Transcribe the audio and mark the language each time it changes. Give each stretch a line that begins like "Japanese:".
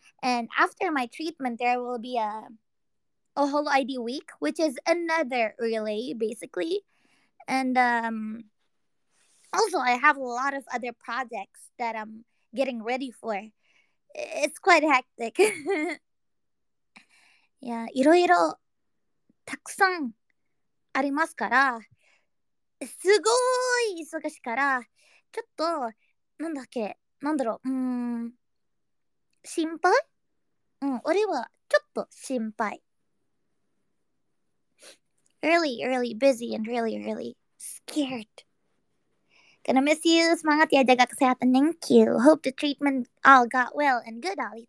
English: And after my treatment, there will be a whole ID week, which is another relay, basically. And also, I have a lot of other projects that I'm getting ready for. It's quite hectic.
Japanese: いや、いろいろたくさんありますから、すごい忙しいから、ちょっと、なんだっけ、なんだろう、心配？俺はちょっと心配。
English: Really, really busy and really, really scared. Gonna miss you.
Japanese: 頑張ってやりたかった。
English: Thank you. Hope the treatment all got well and good, Ollie.